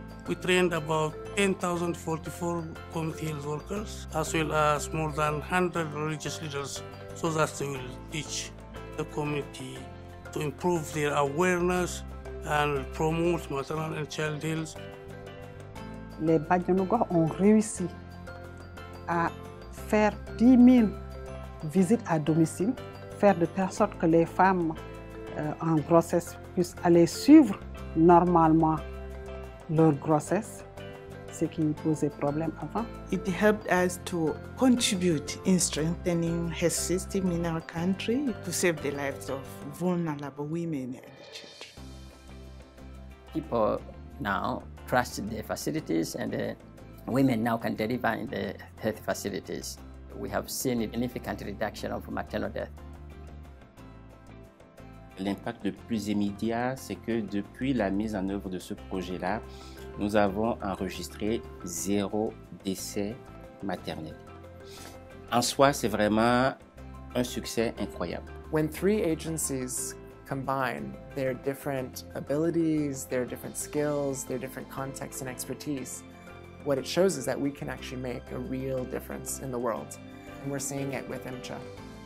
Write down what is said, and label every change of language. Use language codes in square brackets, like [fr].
[en] We trained about 10,044 community health workers, as well as more than 100 religious leaders, so that they will teach the community to improve their awareness and promote maternal and child health. [fr] Les Badianougo ont réussi à faire 10 000 visites à domicile, faire de telle sorte que les femmes en grossesse puissent aller suivre normalement leur grossesse, ce qui posait problème avant. [en] It helped us to contribute in strengthening health system in our country to save the lives of vulnerable women and children. People now trust the facilities and the women now can deliver in the health facilities. We have seen a significant reduction of maternal death. [fr] L'impact le plus immédiat, c'est que depuis la mise en œuvre de ce projet-là, nous avons enregistré 0 décès maternel. En soi, c'est vraiment un succès incroyable. [en] When 3 agencies combine their different abilities, their different skills, their different contexts and expertise, what it shows is that we can actually make a real difference in the world. And we're seeing it with IMCHA.